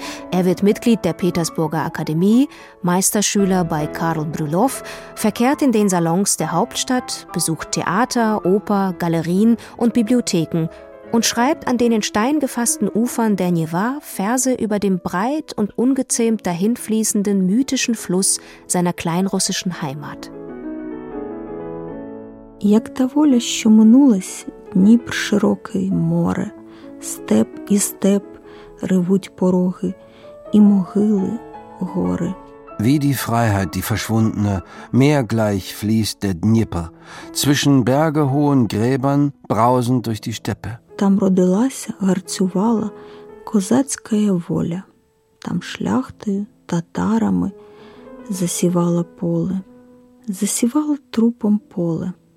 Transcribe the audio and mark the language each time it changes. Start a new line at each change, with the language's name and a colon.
German: Er wird Mitglied der Petersburger Akademie, Meisterschüler bei Karl Brylov, verkehrt in den Salons der Hauptstadt, besucht Theater, Oper, Galerien und Bibliotheken und schreibt an den in Stein gefassten Ufern der Neva Verse über den breit und ungezähmt dahinfließenden mythischen Fluss seiner kleinrussischen Heimat.
Ukrainian: Як та воля, що минулась, Дніпр широкий, море, степ і степ ревуть пороги, і могили гори.
German: Wie die Freiheit, die Verschwundene, meergleich fließt der Dnieper, zwischen bergehohen Gräbern brausend durch die Steppe.
Ukrainian: Там родилася, гарцювала козацька воля, там шляхтою, татарами засівала поле, засівала трупом поле.